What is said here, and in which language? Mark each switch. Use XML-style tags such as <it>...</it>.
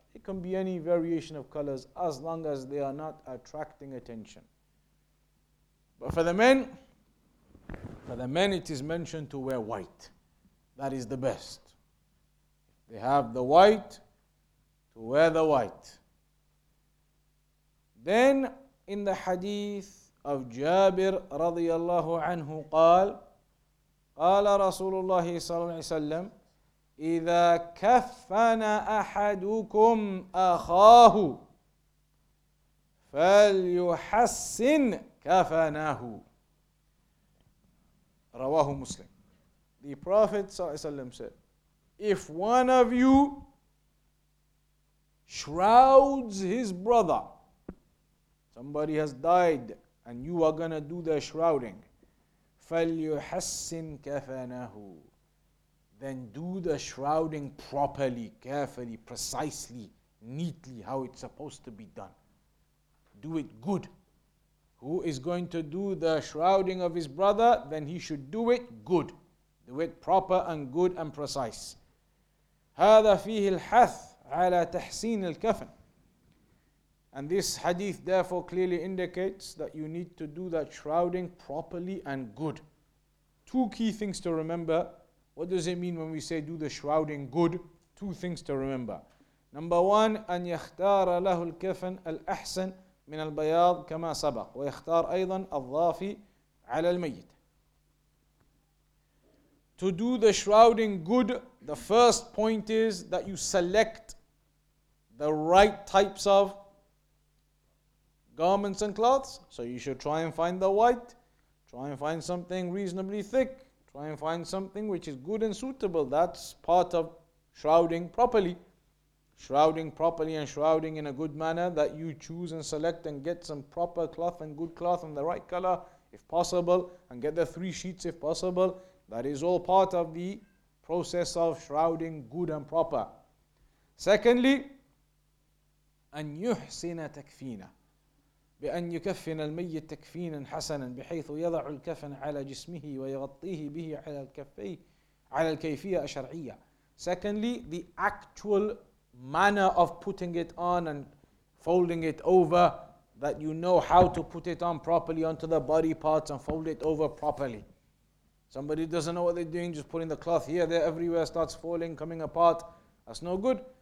<en>It can be any variation of colors as long as they are not attracting attention. But for the men it is mentioned to wear white. That is the best. They have the white, to wear the white. Then in the hadith of Jabir</en> <ar>radiyallahu anhu, قال رسول الله صلى الله عليه وسلم إذا كفن أحدكم أخاه فليحسن كفنه. رواه مسلم.</ar> <en>The Prophet</en> <ar>صلى الله عليه وسلم</ar> <en>said, if one of you shrouds his brother, somebody has died and you are going to do the shrouding,</en> <ar>فَلْيُحَسِّنْ كَفَنَهُ,</ar> <en>then do the shrouding properly, carefully, precisely, neatly, how it's supposed to be done. Do it good. Who is going to do the shrouding of his brother, then he should do it good. Do it proper and good and precise.</en> <ar>هَذَا فِيهِ الْحَثُ عَلَى تَحْسِينِ الْكَفَنِ.</ar> <en>And this hadith therefore clearly indicates that you need to do that shrouding properly and good. Two key things to remember. What does it mean when we say do the shrouding good? Two things to remember. Number one,</en> <ar>أن يختار له الكفن الأحسن من البياض كما سبق ويختار أيضا الضافي على الميت.</ar> <en>To do the shrouding good, the first point is that you select the right types of garments and cloths. So you should try and find the white, try and find something reasonably thick, try and find something which is good and suitable. That's part of shrouding properly. Shrouding properly and shrouding in a good manner, that you choose and select and get some proper cloth and good cloth and the right color if possible, and get the three sheets if possible. That is all part of the process of shrouding good and proper. Secondly,</en> <ar>أن يحسن تكفينا بأن يكفن الميت تكفينا حسنا بحيث يضع الكفن على جسمه ويغطيه به على الكفي على الكيفية الشرعية.</ar> <en>Secondly, the actual manner of putting it on and folding it over, that you know how to put it on properly onto the body parts and fold it over properly. Somebody doesn't know what they're doing, just putting the cloth here, there, everywhere, starts falling, coming apart. That's no good.</en>